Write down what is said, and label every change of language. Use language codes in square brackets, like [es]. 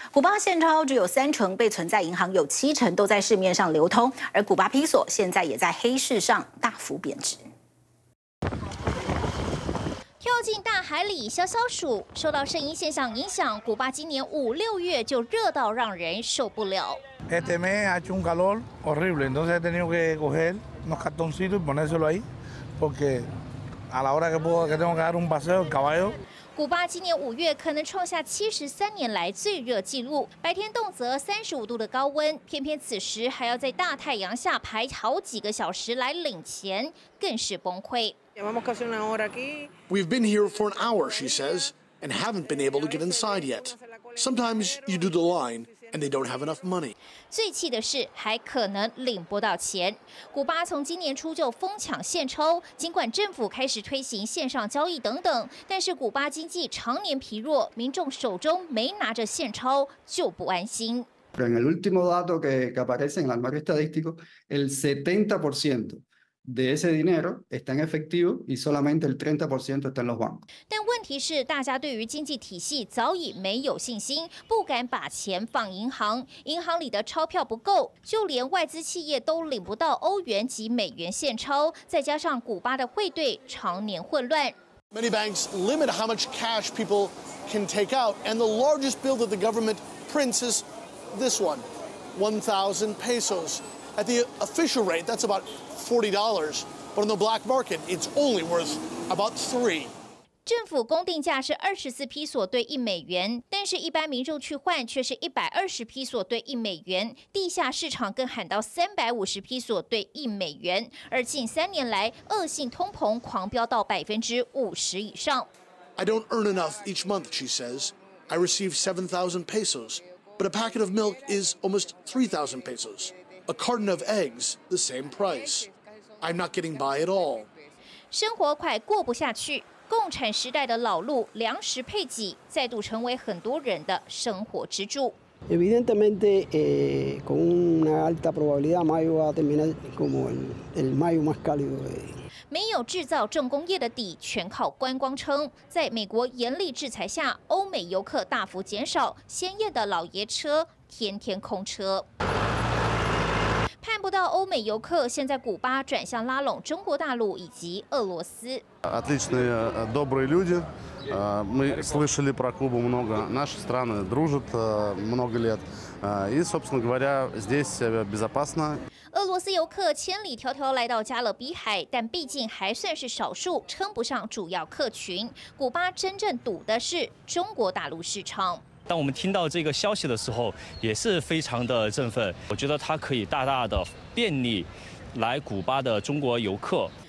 [zh] 古巴现钞只有30%被存在银行，有70%都在市面上流通，而古巴比索现在也在黑市上大幅贬值。跳进大海里消消暑，受到圣婴现象影响，古巴今年5、6月就热到让人受不了。 [es] Este mes ha hecho un calor horrible, entonces he tenido que coger unos cartoncitos y ponérselo ahí, porque a la hora que tengo que dar un paseo al caballo. [zh] 古巴今年五月可能创下73年来最热纪录，白天动辄35度的高温，偏偏此时还要在大太阳下排好几个小时来领钱，更是崩溃。 [en] We've been here for an hour, she says, and haven't been able to get inside yet. Sometimes you do the line, and they don't have enough money. [zh] 最气的是还可能领不到钱。古巴从今年初就疯抢现钞，尽管政府开始推行线上交易等等，但是古巴经济常年疲弱，民众手中没拿着现钞就不安心。 [es] En el último dato que aparece en el marco estadístico, el 70%de ese dinero está en efectivo y solamente el 30% está en los bancos. [zh] 但问题是，大家对于经济体系早已没有信心，不敢把钱放银行，银行里的钞票不够，就连外资企业都领不到欧元及美元现钞，再加上古巴的汇兑常年混乱。 [en] Many banks limit how much cash people can take out, and the largest bill that the government prints is this one, 1,000 pesos. At the official rate, that's about $40, but on the black market, it's only worth about $3. [zh] 政府公定价是24 peso兑1美元，但是一般民众去换却是120 peso兑1美元，地下市场更喊到350 peso兑1美元。而近3年来，恶性通膨狂飙到50%以上。 [en] I don't earn enough each month, she says. I receive 7,000 pesos, but a packet of milk is almost 3,000 pesos. A carton of eggs, the same price. I'm not getting by at all. [zh] 生活快过不下去，共产时代的老路，粮食配给再度成为很多人的生活支柱。 [es] Evidentemente, con una alta probabilidad, mayo va a terminar como el mayo más cálido de hoy. [zh] 没有制造重工业的底，全靠观光撑。在美国严厉制裁下，欧美游客大幅减少，鲜艳的老爷车天天空车。看不到欧美游客，现在古巴转向拉拢中国大陆以及俄罗斯。 [ru] Отличные, добрые люди. Мы слышали про Кубу много. Наши страны дружат много лет. И, собственно говоря, здесь безопасно. [zh] 俄罗斯游客千里迢迢来到加勒比海，但毕竟还算是少数，称不上主要客群。古巴真正堵的是中国大陆市场。当我们听到这个消息的时候，也是非常的振奋。我觉得它可以大大的便利来古巴的中国游客。